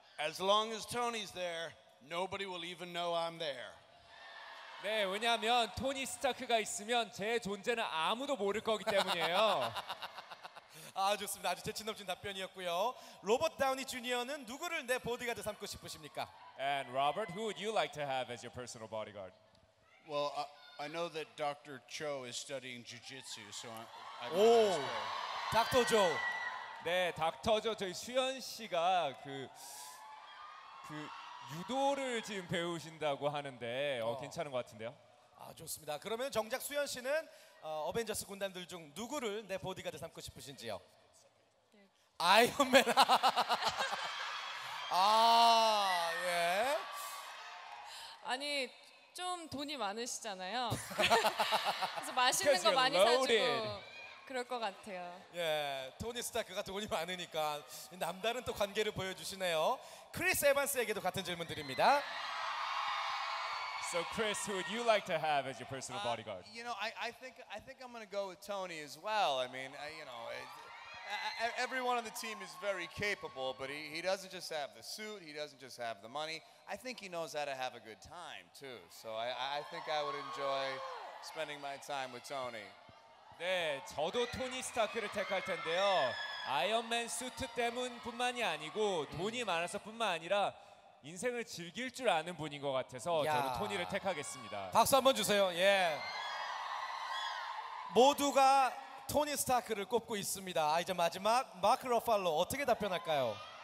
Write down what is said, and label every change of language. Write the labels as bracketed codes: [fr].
[en] As long as Tony's there, nobody will even know I'm there. [ko] 네, 왜냐하면 토니 스타크가 있으면 제 존재는 아무도 모를 거기 때문이에요. 아, 좋습니다. 아주 재치 넘친 답변이었고요. 로봇 다우니 주니어는 누구를 내 보디가드 삼고 싶으십니까? [en] And Robert, who would you like to have as your personal bodyguard? Well, I know that Dr. Cho is studying jiu-jitsu, so I'm... [ko] 오, 닥터 조. 네, 닥터 조. 저희 수연 씨가 그 유도를 지금 배우신다고 하는데 괜찮은 것 같은데요? 아, 좋습니다. 그러면 정작 수연 씨는 어벤져스 군단들 중 누구를 내 보디가드 삼고 싶으신지요? 아이언맨. 아, 예. 아니. 좀 돈이 많으시잖아요. 그래서 맛있는 거 많이 사주고 그럴 것 같아요. 예, 토니 스타크가 돈이 많으니까 남다른 또 관계를 보여주시네요. 크리스 에반스에게도 같은 질문 드립니다. [en] So Chris, who would you like to have as your personal bodyguard? You know, I think I'm going to go with Tony as well. I mean, you know, everyone on the team is very capable, but he doesn't just have the suit, he doesn't just have the money. I think he knows how to have a good time too. So I think I would enjoy spending my time with Tony. [ko] 네, 저도 토니 스타크를 택할 텐데요. 아이언맨 수트 때문뿐만이 아니고 돈이 많아서뿐만 아니라 인생을 즐길 줄 아는 분인 것 같아서 저는 토니를 택하겠습니다. 박수 한번 주세요. 예. 모두가 토니 스타크를 꼽고 있습니다. 아, 이제 마지막 마크 러팔로 어떻게 답변할까요?